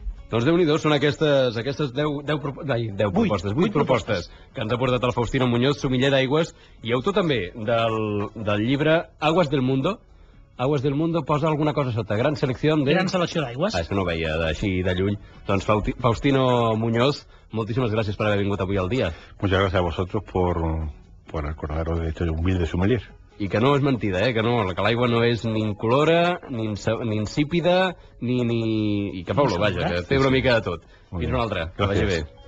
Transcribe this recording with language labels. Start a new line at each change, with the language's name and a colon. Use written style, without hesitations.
Catalan: Doncs déu-n'hi-do, són aquestes 10 propostes, 8 propostes que ens ha portat el Faustino Muñoz, sommelier d'aigües i autor també del llibre Aguas del Mundo. Aguas del Mundo, posa alguna cosa sota. Gran selecció de... Gran selecció d'aigües. Això no ho veia així de lluny. Doncs Faustino Muñoz, moltíssimes gràcies per haver vingut avui al dia.
Spanish: Muchas gracias a vosotros por acordaros de este humilde sommelier.
Catalan: I que no és mentida, que no, que l'aigua no és ni incolora, ni insípida, ni... I que fa olor, vaja, que té una mica de tot. Fins una altra, que vagi bé.